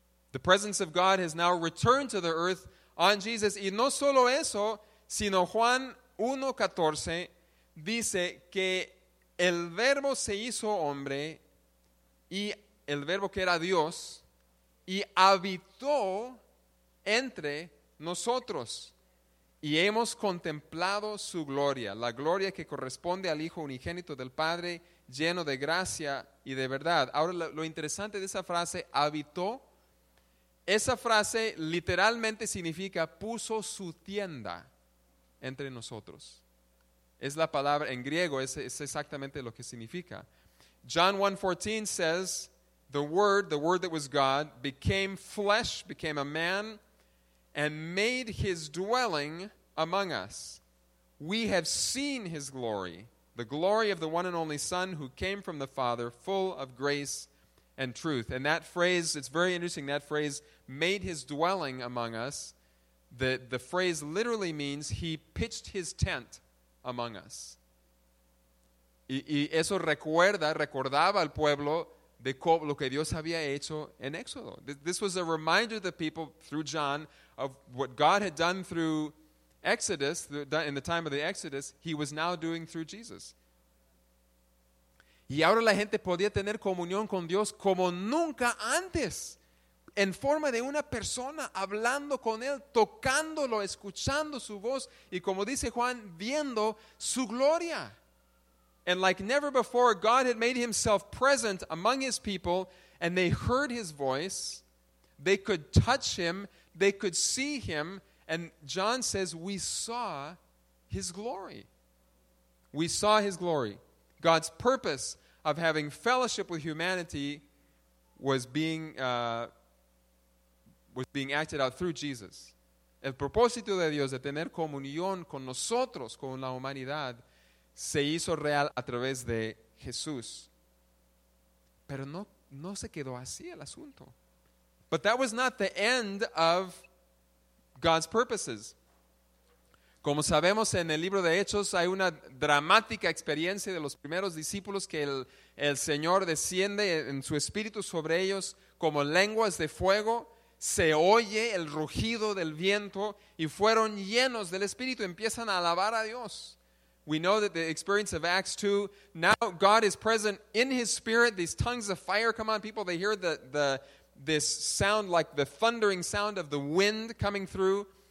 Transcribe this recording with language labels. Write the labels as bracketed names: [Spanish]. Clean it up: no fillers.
[English] The presence of God has now returned to the earth on Jesus. [Spanish] Y no solo eso, sino Juan 1:14 dice que el Verbo se hizo hombre, y el Verbo que era Dios, y habitó entre nosotros, y hemos contemplado su gloria, la gloria que corresponde al Hijo unigénito del Padre, lleno de gracia y de verdad. Ahora, lo interesante de esa frase, habitó, esa frase literalmente significa puso su tienda entre nosotros. Es la palabra en griego, es exactamente lo que significa. [English] John 1:14 says, the word that was God became flesh, became a man, and made his dwelling among us. We have seen his glory, the glory of the one and only Son who came from the Father, full of grace and truth. And that phrase, it's very interesting, that phrase, made his dwelling among us. The phrase literally means he pitched his tent among us. [Spanish] Y eso recordaba al pueblo de lo que Dios había hecho en Éxodo. [English] This was a reminder to the people through John of what God had done through Exodus, in the time of the Exodus, he was now doing through Jesus. [Spanish] Y ahora la gente podía tener comunión con Dios como nunca antes, en forma de una persona, hablando con Él, tocándolo, escuchando su voz, y como dice Juan, viendo su gloria. [English] And like never before, God had made himself present among his people, and they heard his voice, they could touch him, they could see him, and John says, we saw his glory. We saw his glory. God's purpose of having fellowship with humanity was being acted out through Jesus. [Spanish] El propósito de Dios de tener comunión con nosotros, con la humanidad, se hizo real a través de Jesús. Pero no se quedó así el asunto. [English] But that was not the end of God's purposes. [Spanish] Como sabemos en el libro de Hechos, hay una dramática experiencia de los primeros discípulos que el Señor desciende en su espíritu sobre ellos como lenguas de fuego. Se oye el rugido del viento y fueron llenos del Espíritu. Empiezan a alabar a Dios. [English] We know that the experience of Acts 2, now God is present in his spirit. These tongues of fire come on people. They hear this sound like the thundering sound of the wind coming through.